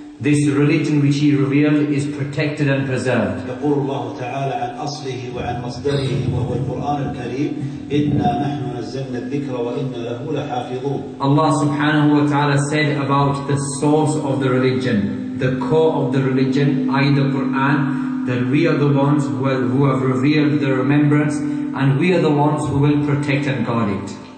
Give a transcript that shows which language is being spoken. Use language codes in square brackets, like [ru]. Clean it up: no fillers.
[en] This religion which He revealed is protected and preserved. [ar] يقول الله تعالى عن أصله وعن مصدره وهو القرآن الكريم إنا نحن نزلنا الذكر وإنا له لحافظون. [en] Allah subhanahu wa ta'ala said about the source of the religion, the core of the religion, i.e. the Quran, that we are the ones who have revealed the remembrance and we are the ones who will protect and guard it.